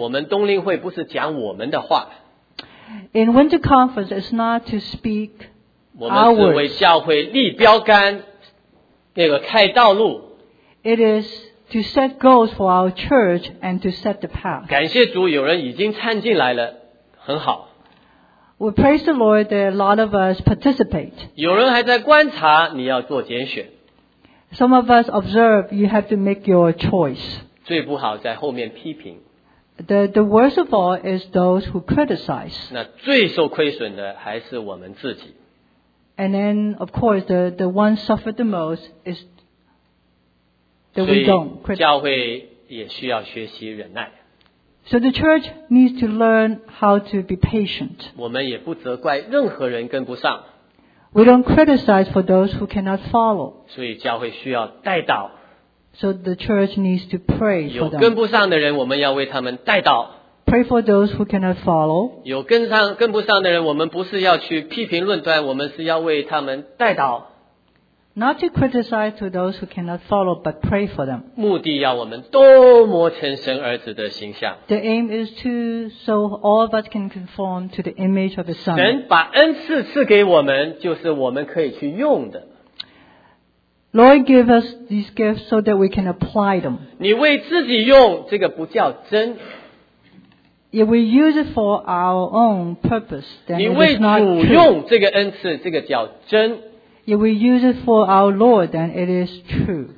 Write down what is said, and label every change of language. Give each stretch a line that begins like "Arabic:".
Chinese: 我们冬令会不是讲我们的话。
English: In winter conference, it's not to speak our words.
Chinese: 我们只为教会立标杆，那个开道路。
English: It is to set goals for our church and to set the path.
Chinese: 感谢主，有人已经参进来了，很好。
English: We praise the Lord that a lot of us participate.
Chinese: 有人还在观察，你要做拣选。
English: Some of us observe you have to make your choice.
Chinese: 最不好在后面批评。
English: The worst of all is those who criticize.
Chinese: 那最受亏损的还是我们自己。
English: And then, of course, the one suffered the most is that we don't criticize.
Chinese: 教会也需要学习忍耐。
English: So the church needs to learn how to be patient.
Chinese: 我们也不责怪任何人跟不上。
English: We don't criticize for those who cannot follow.
Chinese: 所以教会需要代祷。
English: So the church needs to pray for them.
Chinese: 有跟不上的人我们要为他们代祷。
English: Pray for those who cannot follow.
Chinese: 有跟不上的人我们不是要去批评论断我们是要为他们代祷。
English: Not to criticize to those who cannot follow, but pray for them.
Chinese: 目的要我们都磨成神儿子的形象。
English: The aim is to so all of us can conform to the image of the Son.
Chinese: 神把恩赐赐给我们，就是我们可以去用的。
English: Lord give us these gifts so that we can apply them.
Chinese: 你为自己用，这个不叫真。
English: If we use it for our own purpose, then it is not true.
Chinese: 你为主用这个恩赐，这个叫真。
English: If we use it for our Lord, then it is true.